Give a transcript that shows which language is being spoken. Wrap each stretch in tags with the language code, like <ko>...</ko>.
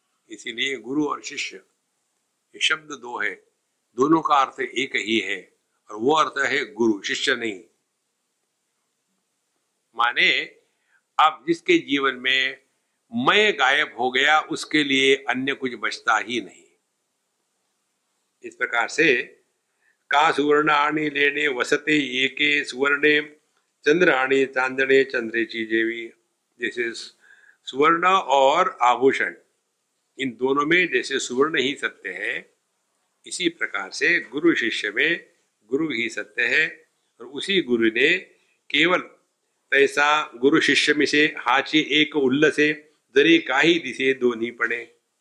<hi>इसीलिए गुरु और शिष्य ये शब्द दो है, दोनों का अर्थ एक ही है और वो अर्थ है गुरु शिष्य नहीं। माने अब जिसके जीवन में मैं गायब हो गया उसके लिए अन्य कुछ बचता ही नहीं। इस प्रकार से</hi> <mr>का सुवर्ण आणि लेने वसते एके सुवर्णे चंद्र आणि चांदने चंद्रे ची जेवी।</mr> <hi>जैसे सुवर्ण और आभूषण इन दोनों में जैसे सुवर्ण ही सत्य है, इसी प्रकार से गुरु शिष्य में गुरु ही सत्य है और उसी गुरु ने केवल तैसा गुरु शिष्य में से</hi> <mr>हाची एक उल्लसे दरे काही दिशे दोनी पड़े।</mr>